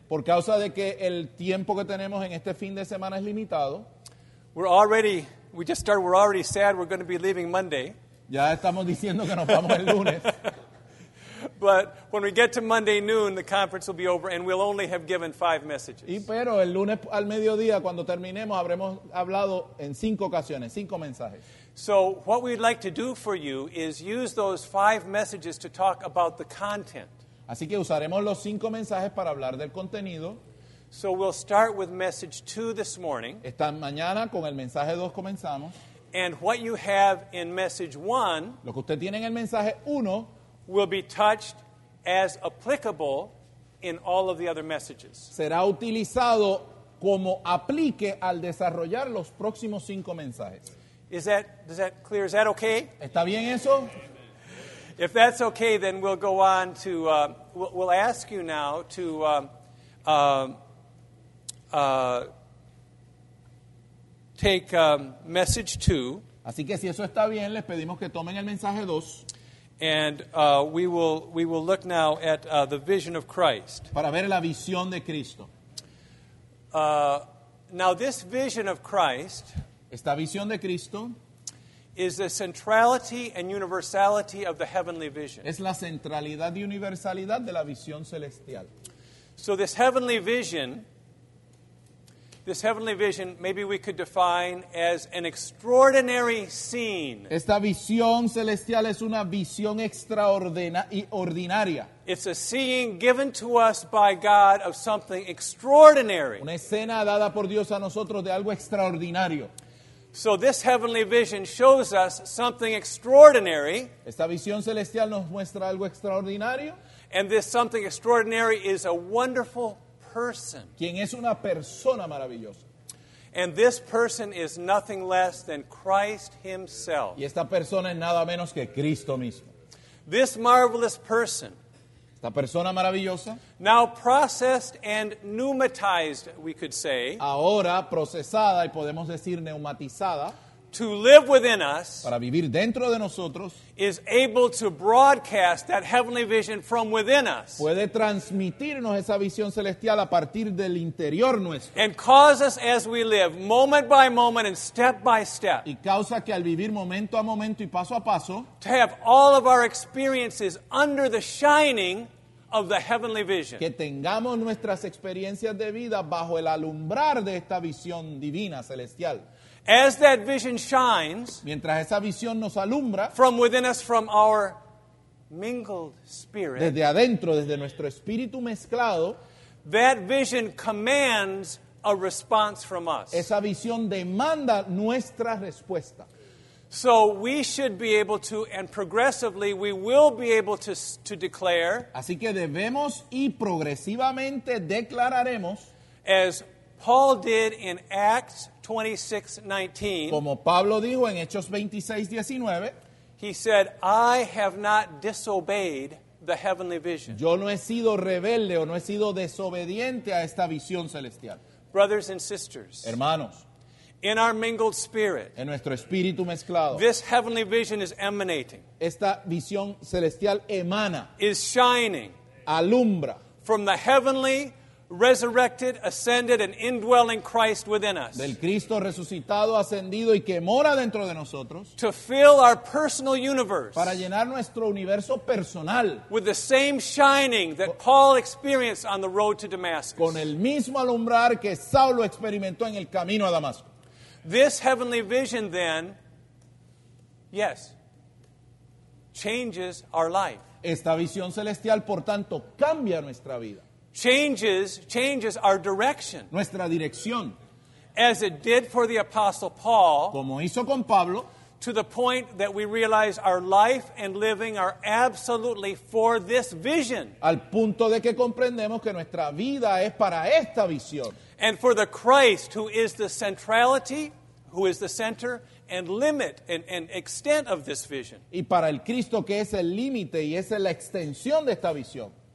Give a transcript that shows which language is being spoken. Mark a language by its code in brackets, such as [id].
[es] Por causa de que el tiempo que tenemos en este fin de semana es limitado. [en] We're already sad we're going to be leaving Monday. [es] Ya estamos diciendo que nos vamos el lunes. [en] But when we get to Monday noon, the conference will be over and we'll only have given 5 messages. [es] Y pero el lunes al mediodía, cuando terminemos, habremos hablado en 5 ocasiones, 5 mensajes. [en] So what we'd like to do for you is use those 5 messages to talk about the content. [es] Así que usaremos los 5 mensajes para hablar del contenido. [en] So we'll start with message 2 this morning. [es] Esta mañana con el mensaje 2 comenzamos. [en] And what you have in message 1, [es] lo que usted tiene en el mensaje 1, [en] will be touched as applicable in all of the other messages. [es] Será utilizado como aplique al desarrollar los próximos 5 mensajes. [en] Is that clear? Is that okay? [es] ¿Está bien eso? [en] If that's okay, then we'll go on to we'll ask you now to take message 2. [es] Así que si eso está bien, les pedimos que tomen el mensaje 2. [en] And we will look now at the vision of Christ. [es] Para ver la visión de Cristo. [en] Now this vision of Christ, [es] esta visión de Cristo, [en] is the centrality and universality of the heavenly vision. [es] Es la centralidad y universalidad de la visión celestial. [en] So this heavenly vision, This heavenly vision, maybe we could define as an extraordinary scene. [es] Esta visión celestial es una visión extraordinaria. [en] It's a seeing given to us by God of something extraordinary. [es] Una escena dada por Dios a nosotros de algo extraordinario. [en] So this heavenly vision shows us something extraordinary. [es] Esta visión celestial nos muestra algo extraordinario. [en] And this something extraordinary is a wonderful person. [es] Quien es una persona maravillosa. [en] And this person is nothing less than Christ himself. [es] Y esta persona es nada menos que Cristo mismo. [en] This marvelous person. [es] Esta persona maravillosa. [en] Now processed and pneumatized, we could say. [es] Ahora procesada y podemos decir neumatizada. [en] To live within us. [es] Para vivir dentro de nosotros. [en] Is able to broadcast that heavenly vision from within us. [es] Puede transmitirnos esa visión celestial a partir del interior nuestro. [en] And cause us as we live, moment by moment and step by step. [es] Y causa que al vivir momento a momento y paso a paso. [en] To have all of our experiences under the shining of the heavenly vision. [es] Que tengamos nuestras experiencias de vida bajo el alumbrar de esta visión divina celestial. [en] As that vision shines, [es] mientras esa visión nos alumbra, [en] from within us, from our mingled spirit, [es] desde adentro, desde nuestro espíritu mezclado, [en] that vision commands a response from us. [es] Esa visión demanda nuestra respuesta. [en] So we should be able to, and progressively, we will be able to declare. [es] Así que debemos y progresivamente declararemos, [en] as Paul did in Acts 26:19. [es] Como Pablo dijo en Hechos 26:19, [en] he said, "I have not disobeyed the heavenly vision." [es] Yo no he sido rebelde o no he sido desobediente a esta visión celestial. [en] Brothers and sisters, [es] hermanos, [en] in our mingled spirit, [es] en nuestro espíritu mezclado, [en] this heavenly vision is emanating. [es] Esta visión celestial emana. [en] Is shining. [es] Alumbra. [en] From the heavenly resurrected, ascended, and indwelling Christ within us. [es] Del Cristo resucitado, ascendido y que mora dentro de nosotros. [en] To fill our personal universe. [es] Para llenar nuestro universo personal. [en] With the same shining that Paul experienced on the road to Damascus. [es] Con el mismo alumbrar que Saulo experimentó en el camino a Damasco. [en] This heavenly vision then, yes, changes our life. [es] Esta visión celestial, por tanto, cambia nuestra vida. [en] Changes our direction. [es] Nuestra dirección. [en] As it did for the Apostle Paul. [es] Como hizo con Pablo. [en] To the point that we realize our life and living are absolutely for this vision. [es] Al punto de que comprendemos que nuestra vida es para esta visión. [en] And for the Christ who is the centrality, who is the center and limit and extent of this vision. [es] Y para el Cristo que es el límite y es la extensión de esta visión.